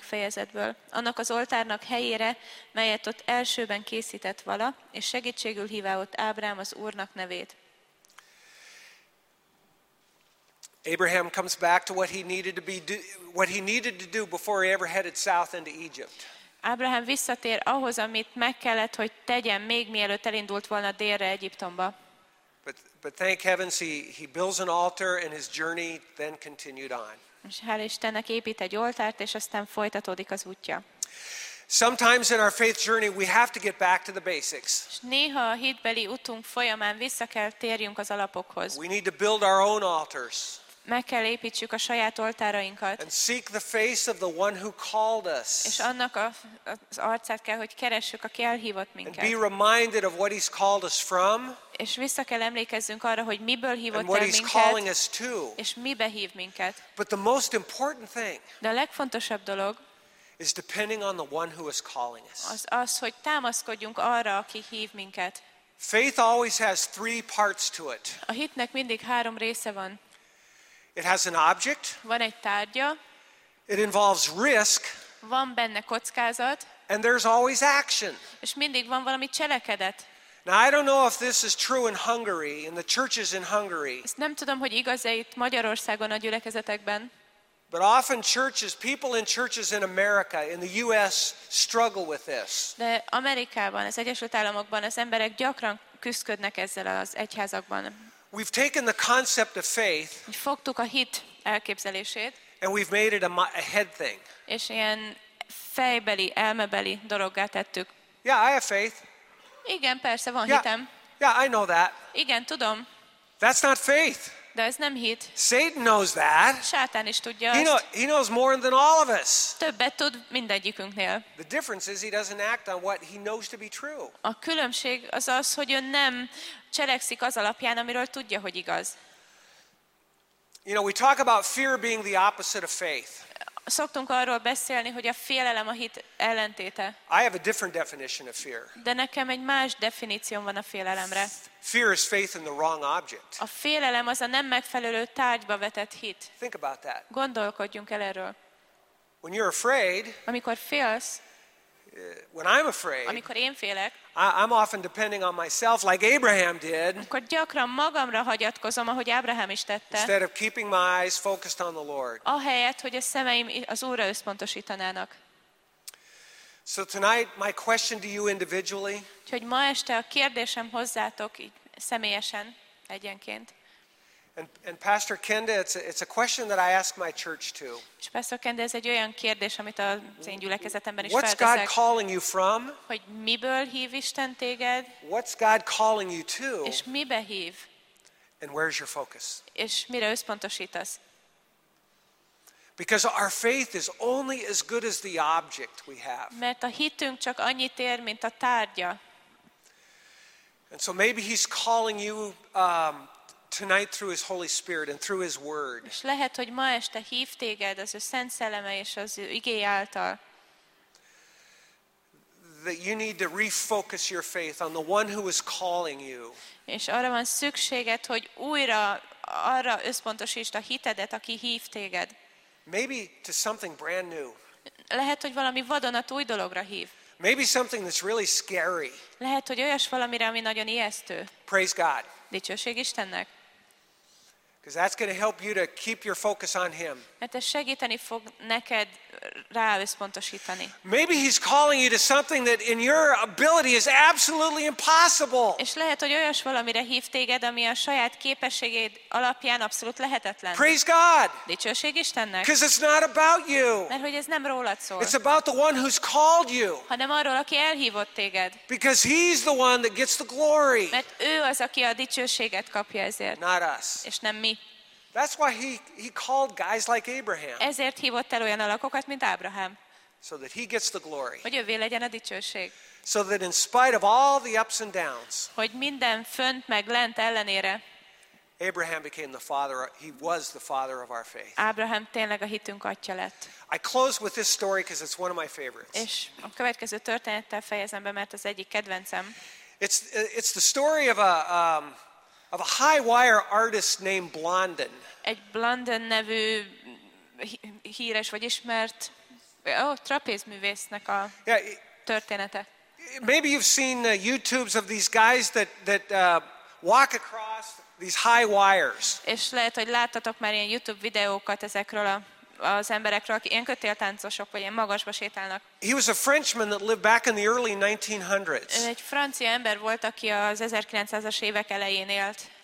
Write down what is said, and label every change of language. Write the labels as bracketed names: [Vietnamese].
[Hungarian] fejezetből, annak az oltárnak helyére, melyet ott elsőben készített vala, és segítségül hívá ott Ábrám az Úrnak nevét. [English] Abraham comes back to what he needed to be do, what he needed to do before he ever headed south into Egypt. [Hungarian] Abraham visszatér ahhoz, amit meg kellett, hogy tegyen még mielőtt elindult volna délre Egyiptomba. [English] But thank heavens he builds an altar and his journey then continued on. [Hungarian] És hál' Istennek épít egy oltárt, és aztán folytatódik az útja. [English] Sometimes in our faith journey we have to get back to the basics. [Hungarian] Néha a hitbeli utunk folyamán vissza kell térjünk az alapokhoz. [English] We need to build our own altars. [Hungarian] Meg kell építsük a saját oltárainkat. [English] And seek the face of the one who called us. [Hungarian] És annak az arcát kell, hogy keressük, aki elhívott minket. [English] And be reminded of what he's called us from. [Hungarian] És vissza kell emlékezzünk arra, hogy miből hívott el minket. [English] And what he's calling us to. [Hungarian] És mibe hív minket. [English] But the most important thing. [Hungarian] De a legfontosabb dolog. [English] Is depending on the one who is calling us. [Hungarian] Az, hogy támaszkodjunk arra, aki hív minket. [English] Faith always has three parts to it. [Hungarian] A hitnek mindig három része van. [English] It has an object. [Hungarian] Van egy tárgya. [English] It involves risk. [Hungarian] Van benne kockázat. [English] And there's always action. [Hungarian] És mindig van valami cselekedet. [English] Now I don't know if this is true in Hungary, in the churches in Hungary. [Hungarian] Ezt nem tudom, hogy igaz-e itt Magyarországon a gyülekezetekben. [English] But often churches, people in churches in America, in the US struggle with this. [Hungarian] De Amerikában, az Egyesült Államokban az emberek gyakran küszködnek ezzel az egyházakban. [English] We've taken the concept of faith. [Hungarian] Fogtuk a hit elképzelését. [English] And we've made it a head thing. [Hungarian] És ilyen fejbeli, elmebeli dologgá tettük. [English] Yeah, I have faith. [Hungarian] Igen, persze van hitem. [English] Yeah, I know that. [Hungarian] Igen, tudom. [English] That's not faith. [Hungarian] De ez nem hit. [English] Satan knows that. [Hungarian] Sátán is tudja. [English] He knows more than all of us. [Hungarian] Többet tud mindegyikünknél. [English] The difference is he doesn't act on what he knows to be true. [Hungarian] A különbség az az, hogy ő nem cselekszik az alapján, amiről tudja, hogy igaz. [English] You know, we talk about fear being the opposite of faith. [Hungarian] Szoktunk arról beszélni, hogy a félelem a hit ellentéte. [English] I have a different definition of fear. [Hungarian] De nekem egy más definícióm van a félelemre. [English] Fear is faith in the wrong object. [Hungarian] A félelem az a nem megfelelő tárgyba vetett hit. [English] Think about that. [Hungarian] Gondolkodjunk el erről. [English] When you're afraid, [Hungarian] amikor félsz, [English] when I'm afraid, [Hungarian] amikor én félek, [English] I'm often depending on myself like Abraham did. [Hungarian] Akkor gyakran magamra hagyatkozom, ahogy Ábrahám is tette. [English] Instead of keeping my eyes focused on the Lord. [Hungarian] Ahelyett, hogy a szemeim az Úrra összpontosítanának. [English] So tonight my question to you individually. [Hungarian] Úgyhogy ma este a kérdésem hozzátok így személyesen egyenként. [English] And Pastor Kenda, it's a question that I ask my church too. [Hungarian] És Pastor Kenda, ez egy olyan kérdés, amit az én gyülekezetemben is feltesek. [English] What's God calling you from? [Hungarian] Hogy miből hív Isten téged? [English] What's God calling you to? [Hungarian] És mibe hív? [English] And where's your focus? [Hungarian] És mire összpontosítasz? [English] Because our faith is only as good as the object we have. [Hungarian] Mert a hitünk csak annyit ér, mint a tárgya. [English] And so maybe he's calling you tonight through his Holy Spirit and through his word. [Hungarian] És lehet, hogy ma este hív téged az ő Szent Szelleme és az ő igéje által. [English] That you need to refocus your faith on the one who is calling you. [Hungarian] És arra van szükséged, hogy újra arra összpontosítsd a hitedet, aki hív téged. [English] Maybe to something brand new. [Hungarian] Lehet, hogy valami vadonatúj dologra hív. [English] Maybe something that's really scary. [Hungarian] Lehet, hogy olyas valamire, ami nagyon ijesztő. [English] Praise God. [Hungarian] Dicsőség Istennek. [English] Because that's going to help you to keep your focus on him. [Hungarian] Mert ez segíteni fog neked rá összpontosítani. [English] Maybe he's calling you to something that in your ability is absolutely impossible. [Hungarian] És lehet, hogy olyas valamire hív téged, ami a saját képességeid alapján abszolút lehetetlen. [English] Praise God. [Hungarian] Dicsőség Istennek. [English] Because it's not about you. [Hungarian] Mert hogy ez nem rólad szól. [English] It's about the one who's called you. [Hungarian] Hanem arról, aki elhívott téged. [English] Because he's the one that gets the glory. [Hungarian] Mert ő az, aki a dicsőséget kapja ezért. [English] Not us. [Hungarian] És nem mi. [English] That's why he called guys like Abraham. [Hungarian] Ezért hívott el olyan alakokat, mint Ábrahám. [English] So that he gets the glory. [Hungarian] Hogy ővé legyen a dicsőség. [English] So that in spite of all the ups and downs. [Hungarian] Hogy minden fönt meg lent ellenére. [English] Abraham became the father. He was the father of our faith. [Hungarian] Abraham tényleg a hitünk atya lett. [English] I close with this story because it's one of my favorites. [Hungarian] És a következő történettel fejezem be, mert az egyik kedvencem. [English] It's the story of a high wire artist named Blondin. [Hungarian] Egy Blondin nevű híres vagy ismert trapézművésznek a története. [English] Maybe you've seen the YouTubes of these guys that walk across these high wires. [Hungarian] És lehet, hogy láttatok már ilyen YouTube videókat ezekről az emberekről, akik ilyen kötéltáncosok vagy ilyen magasba sétálnak. [English] He was a Frenchman that lived back in the early 1900s. [Hungarian] Ő egy francia ember volt, aki az 1900-as évek elején élt.